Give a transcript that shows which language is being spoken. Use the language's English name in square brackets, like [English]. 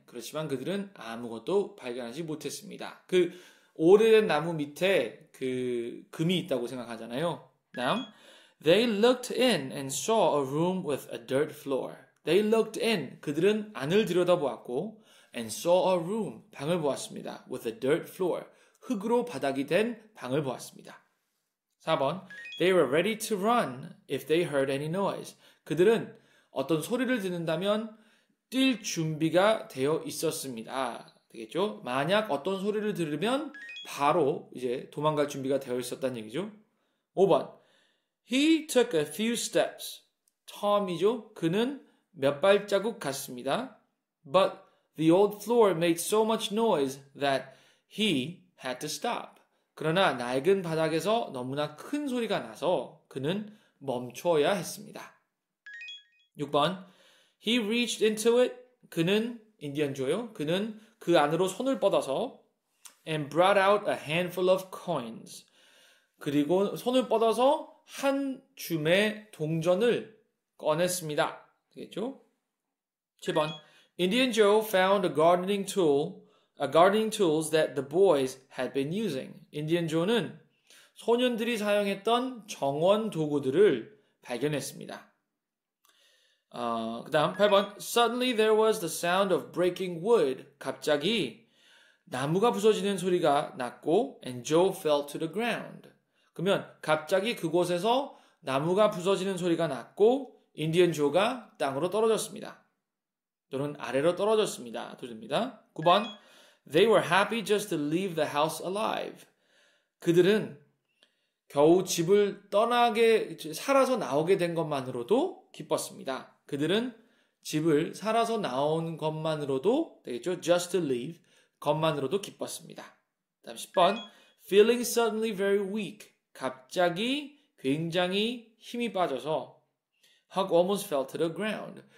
[Korean] 그렇지만 그들은 아무것도 발견하지 못했습니다. 그 오래된 나무 밑에 그 금이 있다고 생각하잖아요. [English] Now, they looked in and saw a room with a dirt floor. They looked in. [Korean] 그들은 안을 들여다보았고 [English] and saw a room. [Korean] 방을 보았습니다. [English] With a dirt floor. [Korean] 흙으로 바닥이 된 방을 보았습니다. 4번. [English] They were ready to run if they heard any noise. [Korean] 그들은 어떤 소리를 듣는다면 뛸 준비가 되어 있었습니다. 되겠죠? 만약 어떤 소리를 들으면 바로 이제 도망갈 준비가 되어 있었다는 얘기죠. 5번. [English] He took a few steps. [Korean] Tom이죠? 그는 몇 발자국 갔습니다. [English] But the old floor made so much noise that he had to stop. [Korean] 그러나 낡은 바닥에서 너무나 큰 소리가 나서 그는 멈춰야 했습니다. 6번. [English] He reached into it. [Korean] 그는 인디언조요. 그는 그 안으로 손을 뻗어서 [English] and brought out a handful of coins. [Korean] 그리고 손을 뻗어서 한 줌의 동전을 꺼냈습니다. 되겠죠? 7번. [English] Indian Joe found gardening tools that the boys had been using. [Korean] Indian Joe는 소년들이 사용했던 정원 도구들을 발견했습니다. 그 다음 8번. [English] Suddenly there was the sound of breaking wood. [Korean] 갑자기 나무가 부서지는 소리가 났고 [English] and Joe fell to the ground. [Korean] 그러면 갑자기 그곳에서 나무가 부서지는 소리가 났고 인디언 조가 땅으로 떨어졌습니다. 또는 아래로 떨어졌습니다. 도전입니다. 9번. [English] They were happy just to leave the house alive. [Korean] 그들은 겨우 집을 떠나게 살아서 나오게 된 것만으로도 기뻤습니다. 그들은 집을 살아서 나온 것만으로도 되겠죠? [English] Just to leave [Korean] 것만으로도 기뻤습니다. 다음 10번. [English] Feeling suddenly very weak. [Korean] 갑자기 굉장히 힘이 빠져서 [English] Huck almost fell to the ground.